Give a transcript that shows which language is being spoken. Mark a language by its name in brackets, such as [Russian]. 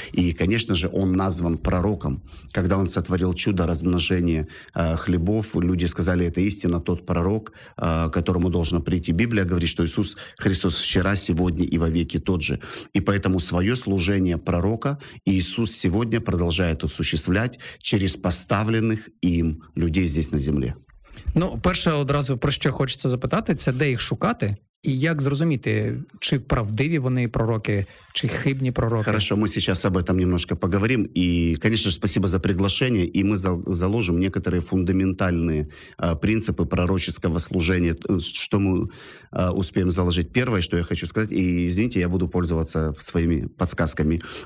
[Russian] И, конечно же, он назван пророком. Когда он сотворил чудо размножения хлебов, люди сказали, это истинно тот пророк, которому должно прийти. Библия говорит, что Иисус Христос вчера, сегодня и вовеки тот же. И поэтому свое служение пророка Иисус сегодня продолжает осуществлять через поставленных им людей здесь на земле. [Ukrainian] Ну, перше одразу, про що хочеться запитати, це де їх шукати? И как зрозуміти, чи правдиві вони пророки, чи хибні пророки? [Russian] Хорошо, мы сейчас об этом немножко поговорим. И, конечно же, спасибо за приглашение. И мы заложим некоторые фундаментальные принципы пророческого служения, что мы успеем заложить. Первое, что я хочу сказать, и извините, я буду пользоваться своими подсказками.